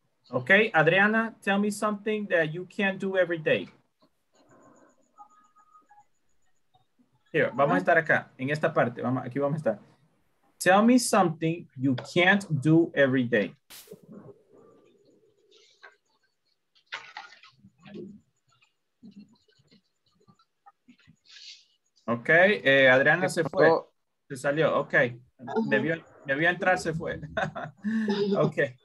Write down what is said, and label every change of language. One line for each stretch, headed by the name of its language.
English: Okay, Adriana, tell me something that you can't do every day.
Spanish: Here, vamos a estar acá, en esta parte. Aquí vamos a estar.
English: Tell me something you can't do every day. Okay.
Spanish: Ok, Adriana se fue. Se salió, ok. Debió entrar, se fue. Ok.